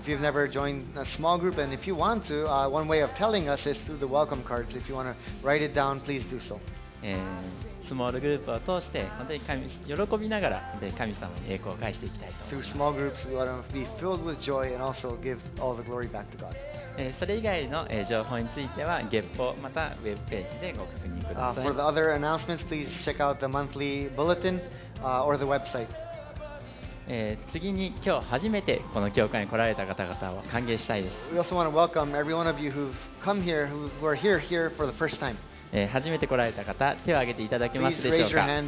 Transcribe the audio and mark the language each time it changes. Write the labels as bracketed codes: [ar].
[en] If you've never joined a small group and if you want to, one way of telling us is through the welcome cards. If you want to write it down, please do so. [ja] スモールグループを通して本当に神喜びながら本当に神様に栄光を返していきたいと [en] Through small groups, we want to be filled with joy and also give all the glory back to God. [ja] それ以外の情報については月報またウェブページでご確認ください。 [en] For the other announcements, please check out the monthly bulletin, or the website. [ja] 次に今日初めてこの教会に来られた方々を歓迎したいです。 [en] We also want to welcome every one of you who've come here, who are here for the first time. [ja] 初めて来られた方、手を挙げていただけますでしょうか。